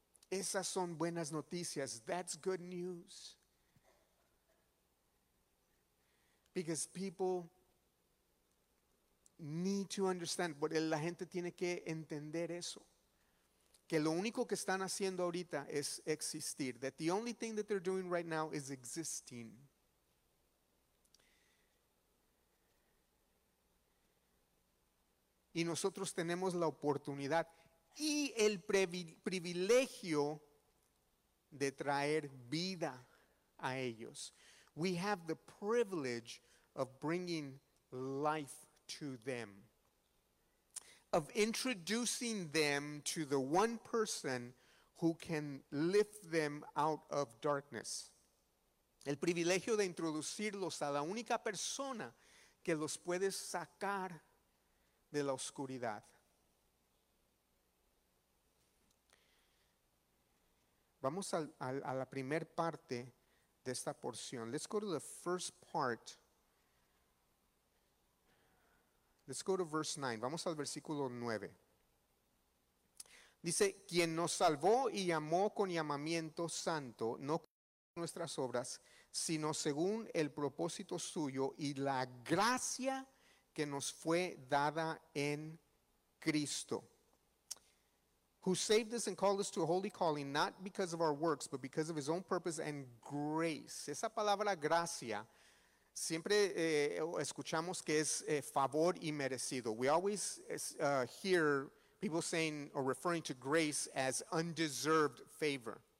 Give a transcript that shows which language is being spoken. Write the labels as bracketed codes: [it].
[es] Esas son buenas noticias. [en] That's good news. Because people need to understand, [es] porque la gente tiene que entender eso. Que lo único que están haciendo ahorita es existir. [en] That the only thing that they're doing right now is existing. [es] Y nosotros tenemos la oportunidad y el privilegio de traer vida a ellos. [en] We have the privilege of bringing life to them. Of introducing them to the one person who can lift them out of darkness. [es] El privilegio de introducirlos a la única persona que los puede sacar de la oscuridad. Vamos a la primer parte de esta porción. [en] Let's go to the first part. Let's go to verse 9. [es] Vamos al versículo 9. Dice, quien nos salvó y llamó con llamamiento santo, no con nuestras obras, sino según el propósito suyo y la gracia que nos fue dada en Cristo. [en] Who saved us and called us to a holy calling, not because of our works, but because of His own purpose and grace. [es] Esa palabra gracia, siempre escuchamos que es favor y merecido. [en] We always hear People saying or referring to grace as undeserved favor.